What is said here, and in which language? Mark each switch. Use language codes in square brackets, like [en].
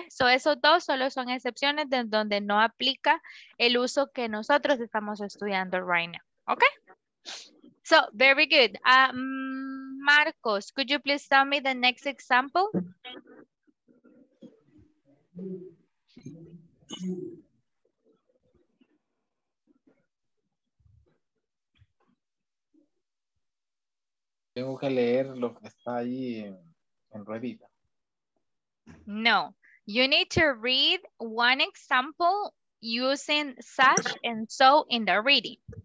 [es] So esos dos solo son excepciones de donde no aplica el uso que nosotros estamos estudiando [en] right now, [es] ¿ok? [en] So, very good. Marcos, could you please tell me the next example? [es] Tengo que leer lo que está ahí en Reddit. [en] No, you need to read one example using such and so in the reading.